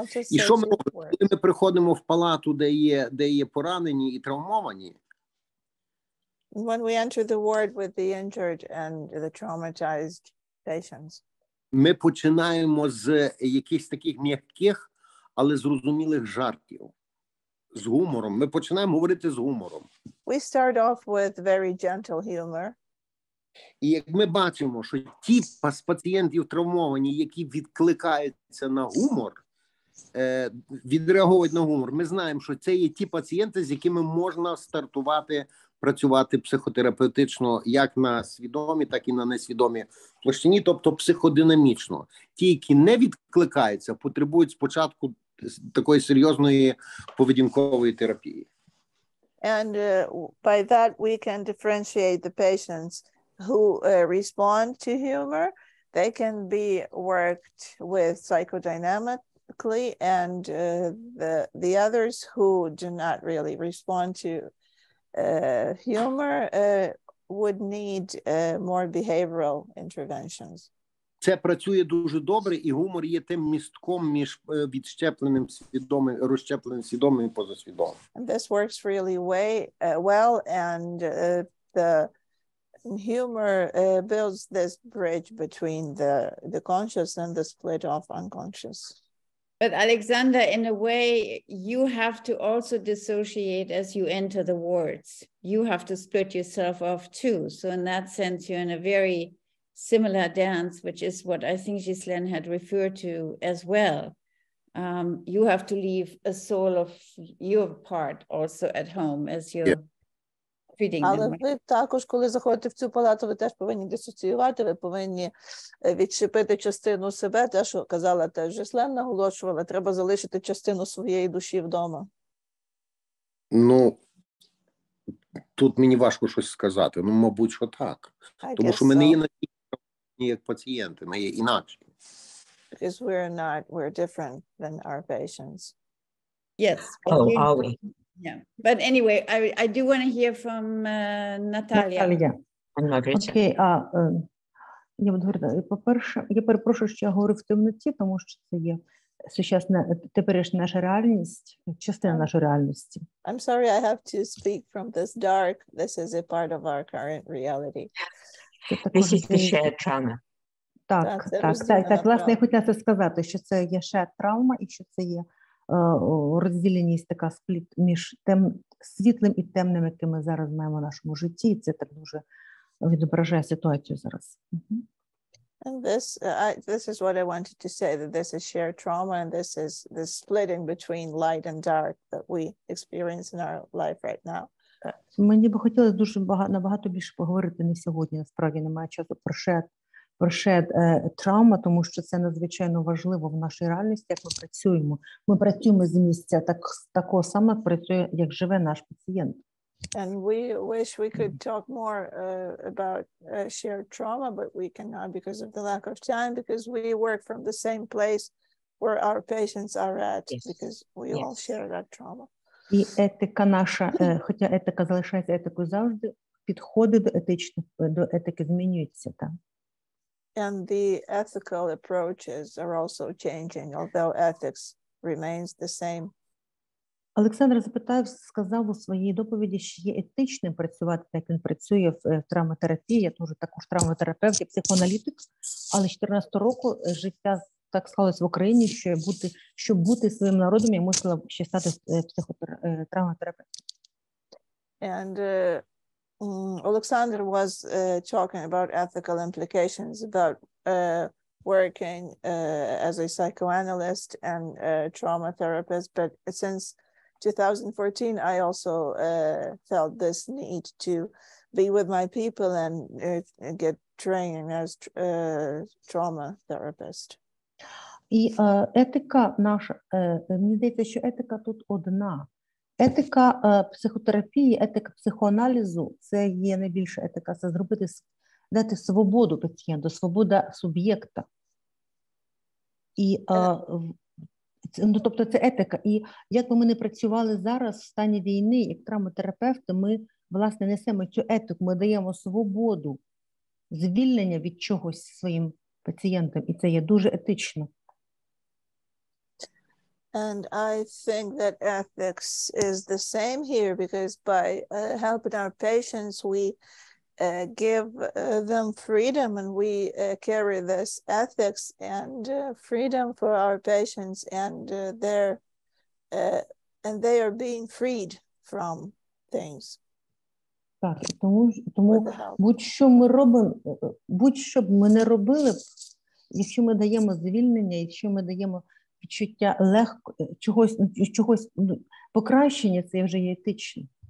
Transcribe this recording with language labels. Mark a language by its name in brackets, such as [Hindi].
[Ukrainian] І що ми робимо, коли ми приходимо в палату, де є поранені і травмовані? [English] When we enter the ward with the injured and the traumatized patients. [Ukrainian] Ми починаємо з якихось таких м'яких, але зрозумілих жартів. З гумором. Ми починаємо говорити з гумором. [English] We start off with very gentle humor. [Ukrainian] І як ми бачимо, що ті з пацієнтів травмовані, які відкликаються на гумор, відреагують на гумор, ми знаємо, що це є ті пацієнти, з якими можна стартувати, працювати психотерапевтично, як на свідомі, так і на несвідомі площині, тобто психодинамічно. Ті, які не відкликаються, потребують спочатку такої серйозної поведінкової терапії. [English] And by that, we can differentiate the patients who respond to humor. They can be worked with psychodynamically, and the others who do not really respond to humor would need more behavioral interventions. [Ukrainian] Це працює дуже добре, і гумор є тим містком між відщепленим свідомим, розщепленим свідомим і позасвідомим. [English] This works really way well, and the humor builds this bridge between the conscious and the split off unconscious. But Alexander, in a way, you have to also dissociate as you enter the wards. You have to split yourself off too. So in that sense, you're in a very similar dance, which is what I think Ghislaine had referred to as well. You have to leave a soul of your part also at home as you're feeding [Ukrainian] Але [English] them. [Ukrainian] Але ви також, коли заходите в цю палату, ви теж повинні дисоціювати, ви повинні відчепити частину себе, те, що казала теж Ghislaine, наголошувала, треба залишити частину своєї душі вдома. Ну, тут мені важко щось сказати, ну, мабуть, що так. Тому що мене є на як пацієнти, ми є інакше. [English] Because we're different than our patients. Yes. Oh, are we? Yeah. But anyway, I do want to hear from Natalia. [Ukrainian] Natalia. Окей, я буду говорити. По-перше, я перепрошую, що я говорю в темноті, тому що це є сучасна, теперішня наша реальність, частина нашої реальності. [English] I'm sorry, I have to speak from this dark. This is a part of our current reality. This is the shared trauma. [Ukrainian] Так, так, так, так, власне, я хотіла це сказати, що це є [English] shared trauma, [Ukrainian] і що це є розділеність, така спліт між тим світлим і темним, яке ми зараз маємо в нашому житті, і це так дуже відображає ситуацію зараз. [English] And this, this is what I wanted to say, that this is shared trauma, and this is the splitting between light and dark that we experience in our life right now. [Ukrainian] Мені би хотілося дуже багато, набагато більше поговорити не сьогодні, насправді немає часу, про [English] shared trauma, [Ukrainian] тому що це надзвичайно важливо в нашій реальності, як ми працюємо. Ми працюємо з місця, так, такого саме працює, як живе наш пацієнт. [English] And we wish we could talk more about shared trauma, but we cannot because of the lack of time, because we work from the same place where our patients are at, yes. Because we yes. all share that trauma. [Ukrainian] І етика наша, хоча етика залишається етикою завжди, підходи до етичних, до етики змінюються, так. [English] And the ethical approaches are also changing, although ethics remains the same. [Ukrainian] Олександр запитав, сказав у своїй доповіді, що є етичним працювати, як він працює в травматерапії, я теж також травматерапевт, я психоаналітик, але 14 року життя так склалось в Україні, що бути, щоб бути своїм народом, я мусила ще стати психотравматерапевтом. [English] And Oleksandr was talking about ethical implications about working as a psychoanalyst and trauma therapist, but since 2014 I also felt this need to be with my people and get training as trauma therapist. [Ukrainian] І етика наша, мені здається, що етика тут одна. Етика психотерапії, етика психоаналізу – це є найбільша етика, це зробити, дати свободу пацієнту, свобода суб'єкта. І, ну, тобто це етика. І як би ми не працювали зараз в стані війни, як травматерапевти, ми, власне, несемо цю етику, ми даємо свободу, звільнення від чогось своїм пацієнтам, і це є дуже етично. [English] And I think that ethics is the same here because by helping our patients, we give them freedom and we carry this ethics and freedom for our patients and they're, and they are being freed from things. [Ukrainian] Так, тому будь-що ми робимо, будь-що б ми не робили, якщо ми даємо звільнення, якщо ми даємо відчуття легко чогось, покращення, це вже є етично.